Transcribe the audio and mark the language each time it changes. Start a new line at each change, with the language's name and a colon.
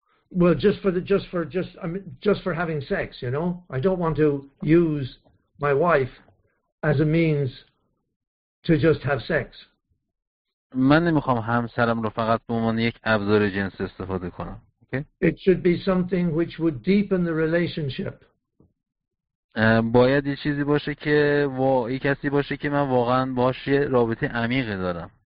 English: Well, just for having sex, you know? I don't want to use my wife as a means to just have sex.
Persian: من نمیخوام همسرم رو فقط به عنوان یک ابزار جنسی استفاده کنم.
English: Okay. It should be something which would deepen the relationship.
Persian: باید یه چیزی باشه که یه کسی باشه که من واقعا باهاش یه رابطه عمیقی دارم.